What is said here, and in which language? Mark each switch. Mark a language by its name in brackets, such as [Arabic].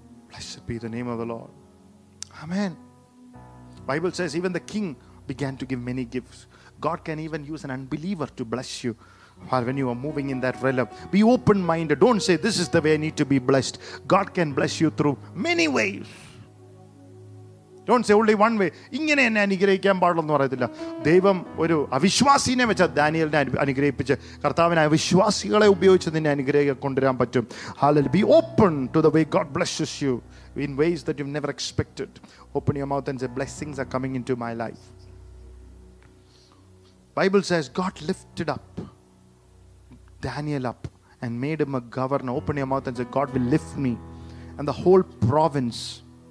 [English] Blessed be the name of the Lord. Amen. Bible says even the king began to give many gifts. God can even use an unbeliever to bless you when you are moving in that realm. Be open-minded. Don't say this is the way I need to be blessed. God can bless you through many ways. Don't say only one way. [Malayalam] ഇങ്ങനെ എന്നെ അനുഗ്രഹിക്കാൻ പാടില്ലെന്ന് പറയത്തില്ല. ദൈവം ഒരു അവിശ്വാസിനെ വെച്ച ദാനിയലിനെ അനുഗ്രഹിപ്പിച്ച് കർത്താവിന് അവിശ്വാസികളെ ഉപയോഗിച്ച് നിന്നെ അനുഗ്രഹം കൊണ്ടുവരാൻ പറ്റും. [English] Hallelujah. Be open to the way God blesses you in ways that you've never expected. Open your mouth and say, blessings are coming into my life. Bible says God lifted up Daniel up and made him a governor. Open your mouth and say, God will lift me and the whole province.